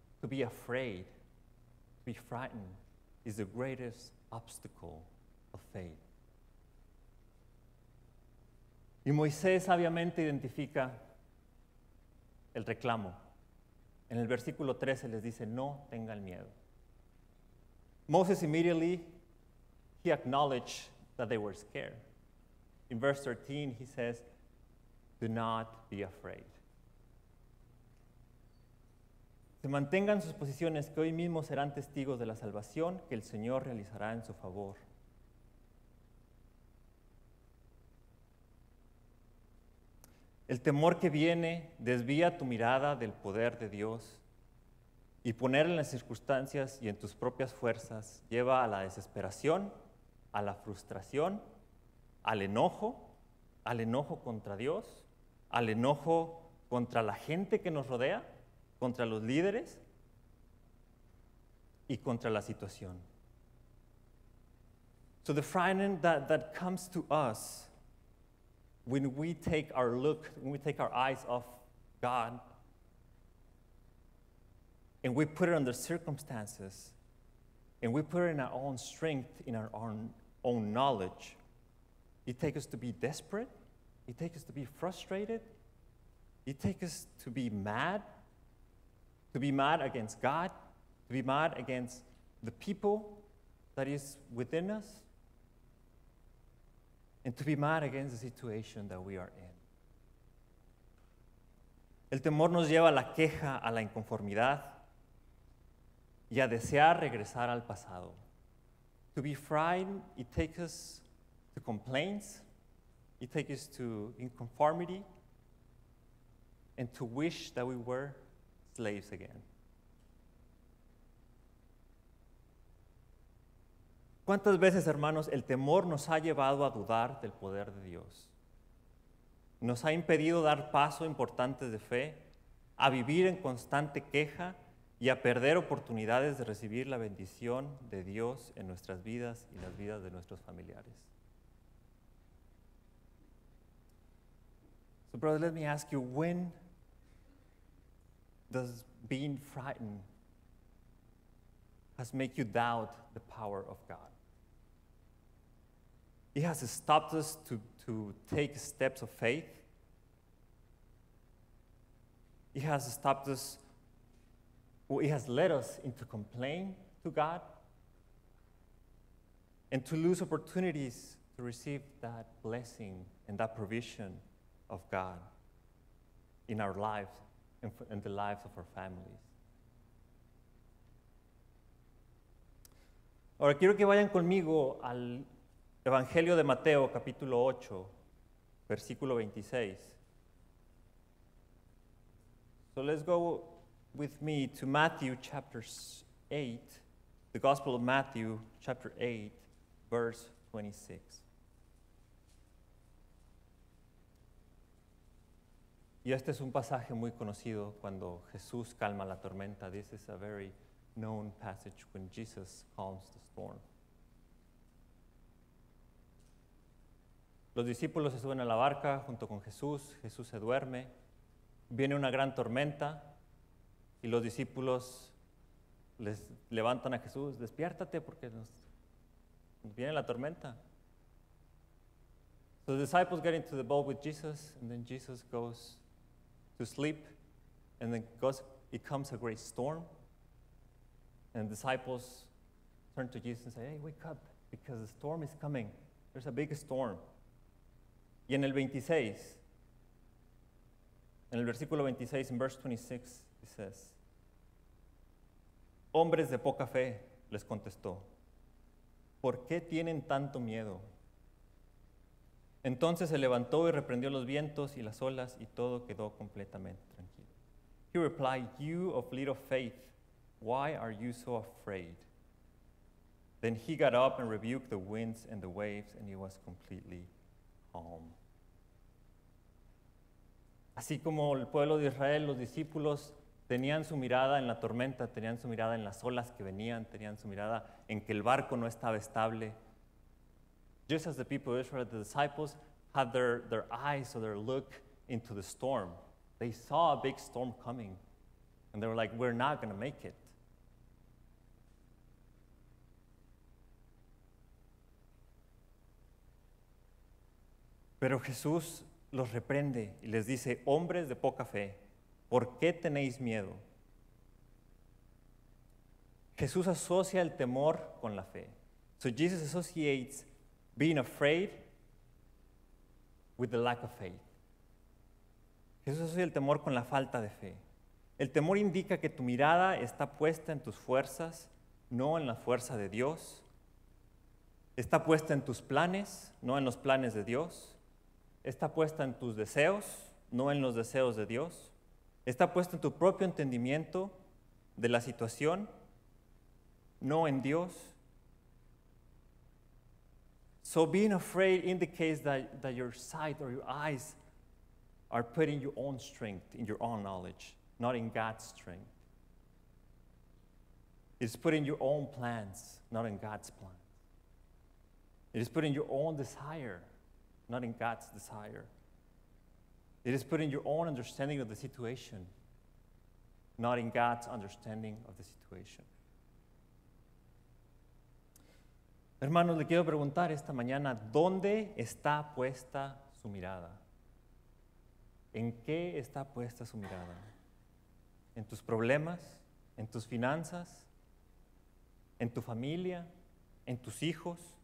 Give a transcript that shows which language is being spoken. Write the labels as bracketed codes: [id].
[en] To be afraid, be frightened is the greatest obstacle of faith. [es] Y Moisés sabiamente identifica el reclamo. En el versículo 13 les dice, no tengan miedo. [en] Moses immediately, he acknowledged that they were scared. In verse 13, he says, do not be afraid. [es] Se mantengan sus posiciones, que hoy mismo serán testigos de la salvación que el Señor realizará en su favor. El temor que viene desvía tu mirada del poder de Dios, y poner en las circunstancias y en tus propias fuerzas lleva a la desesperación, a la frustración, al enojo contra Dios, al enojo contra la gente que nos rodea, contra los líderes y contra la situación. [en] So the frightening that comes to us when we take our look, when we take our eyes off God and we put it on the circumstances and we put it in our own strength, in our own knowledge, it takes us to be desperate, it takes us to be frustrated, it takes us to be mad. To be mad against God, to be mad against the people that is within us, and to be mad against the situation that we are in. [es] El temor nos lleva a la queja, a la inconformidad, y a desear regresar al pasado. [en] To be frightened, it takes us to complaints, it takes us to inconformity, and to wish that we were slaves again. [es] ¿Cuántas veces, hermanos, el temor nos ha llevado a dudar del poder de Dios? ¿Nos ha impedido dar pasos importantes de fe, a vivir en constante queja y a perder oportunidades de recibir la bendición de Dios en nuestras vidas y las vidas de nuestros familiares? [en] So, brother, let me ask you, when does being frightened has made you doubt the power of God? It has stopped us to take steps of faith. It has stopped us, or it has led us into complaining to God and to lose opportunities to receive that blessing and that provision of God in our lives and in the lives of our families. [es] Ahora quiero que vayan conmigo al Evangelio de Mateo, capítulo 8, versículo 26. [en] So let's go with me to Matthew, chapter 8, the Gospel of Matthew, chapter 8, verse 26. [es] Y este es un pasaje muy conocido cuando Jesús calma la tormenta. [en] This is a very known passage when Jesus calms the storm. [es] Los discípulos se suben a la barca junto con Jesús. Jesús se duerme. Viene una gran tormenta y los discípulos les levantan a Jesús. Despiértate porque nos viene la tormenta. [en] So the disciples get into the boat with Jesus, and then Jesus goes to sleep, and then it comes a great storm. And the disciples turn to Jesus and say, hey, wake up, because the storm is coming. There's a big storm. [es] Y en el 26, en el versículo 26, en [en] verse 26, it says, [es] hombres de poca fe, les contestó, ¿por qué tienen tanto miedo? Entonces se levantó y reprendió los vientos y las olas y todo quedó completamente tranquilo. [en] He replied, you of little faith, why are you so afraid? Then he got up and rebuked the winds and the waves and he was completely calm. [es] Así como el pueblo de Israel, los discípulos tenían su mirada en la tormenta, tenían su mirada en las olas que venían, tenían su mirada en que el barco no estaba estable. [en] Just as the people of Israel, the disciples, had their eyes or their look into the storm. They saw a big storm coming, and they were like, we're not going to make it. [es] Pero Jesús los reprende y les dice, hombres de poca fe, ¿por qué tenéis miedo? Jesús asocia el temor con la fe. [en] So Jesus associates being afraid with the lack of faith. [es] Jesús asocia el temor con la falta de fe. El temor indica que tu mirada está puesta en tus fuerzas, no en la fuerza de Dios. Está puesta en tus planes, no en los planes de Dios. Está puesta en tus deseos, no en los deseos de Dios. Está puesta en tu propio entendimiento de la situación, no en Dios. [en] So being afraid indicates that your sight or your eyes are put in your own strength, in your own knowledge, not in God's strength. It's put in your own plans, not in God's plans. It is put in your own desire, not in God's desire. It is put in your own understanding of the situation, not in God's understanding of the situation. [es] Hermanos, le quiero preguntar esta mañana, ¿dónde está puesta su mirada? ¿En qué está puesta su mirada? ¿En tus problemas? ¿En tus finanzas? ¿En tu familia? ¿En tus hijos?